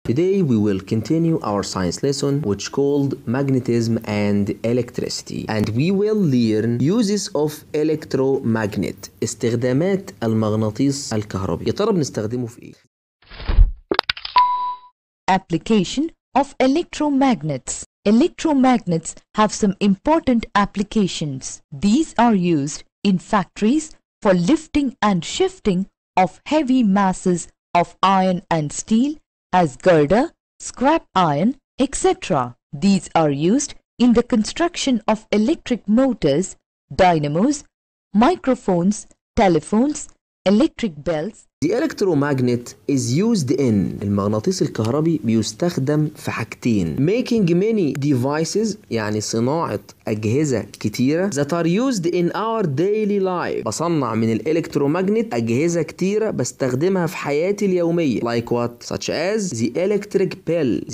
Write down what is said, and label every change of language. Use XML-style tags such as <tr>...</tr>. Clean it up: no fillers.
<en>Today we will continue our science lesson, which called magnetism and electricity, and we will learn uses of electromagnet.</en> <ar>استخدامات المغناطيس الكهربي. يا ترى بنستخدمه في ايه؟</ar> <en>Application of electromagnets. Electromagnets have some important applications. These are used in factories for lifting and shifting of heavy masses of iron and steel as girder, scrap iron, etc. These are used in the construction of electric motors, dynamos, microphones, telephones, electric bells. The electromagnet is used in</en> <ar>المغناطيس الكهربي بيستخدم في حاجتين.</ar> <en>Making many devices</en> <ar>يعني صناعة أجهزة كتيرة</ar> <en>that are used in our daily life.</en> <ar>بصنع من الالكترومغنت أجهزة كتيرة بستخدمها في حياتي اليومية.</ar> <en>Like what? Such as the electric bell.</en>